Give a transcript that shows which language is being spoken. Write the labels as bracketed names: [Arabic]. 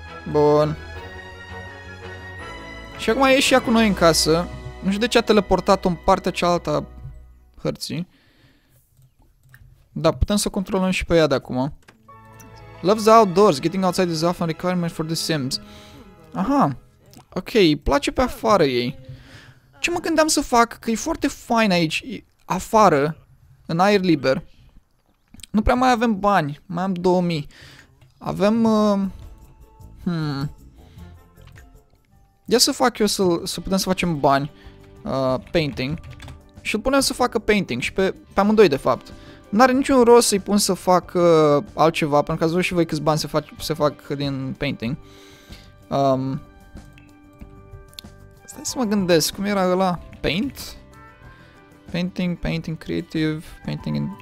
[Romanian] Bun. Și acum e și ea cu noi în casă. Nu știu de ce a teleportat-o în partea cealaltă a hărții. Da, putem să controlăm și pe ea de acum. [English] Loves the outdoors. Getting outside is often a requirement for the Sims. [Romanian] Aha. Ok, îi place pe afară ei. Ce mă gândeam să fac? Că e foarte fain aici, afară, în aer liber. Nu prea mai avem bani. Mai am 2000. Avem... Ia să fac eu să putem să facem bani, painting. Și îl punem să facă painting și pe amândoi, de fapt. N-are niciun rost să-i pun să fac altceva, pentru că ați văzut și voi câți bani se fac din painting. Stai să mă gândesc, cum era ăla? [English] Paint? Painting, painting creative, painting in...